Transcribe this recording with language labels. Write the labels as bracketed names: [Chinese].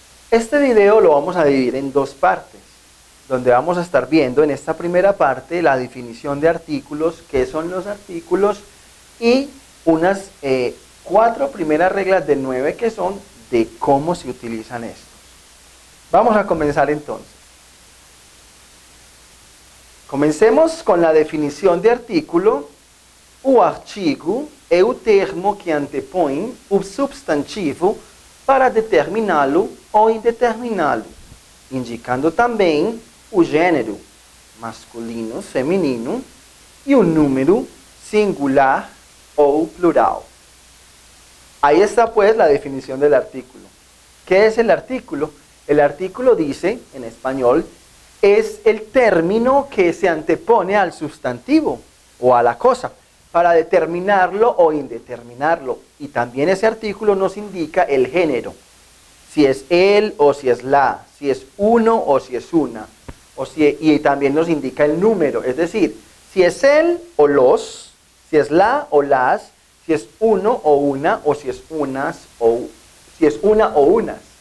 [Spanish] Este video lo vamos a dividir en dos partes, donde vamos a estar viendo en esta primera parte la definición de artículos, qué son los artículos y unas cuatro primeras reglas de nueve que son de cómo se utilizan estos. Vamos a comenzar entonces. Comencemos con la definición de artículo. [Portuguese] O artigo é o termo que antepõe o substantivo para determiná-lo ou indeterminá-lo, indicando também o gênero, masculino, feminino, e o número, singular ou plural. [Spanish] Aí está, pues, la definición del artículo. ¿Qué es el artículo? El artículo dice, en español, es el término que se antepone al sustantivo o a la cosa para determinarlo o indeterminarlo. Y también ese artículo nos indica el género, si es él o si es la, si es uno o si es una, o si, y también nos indica el número, es decir, si es él o los, si es la o las, si es uno o una, o si es unas o si es una o unas.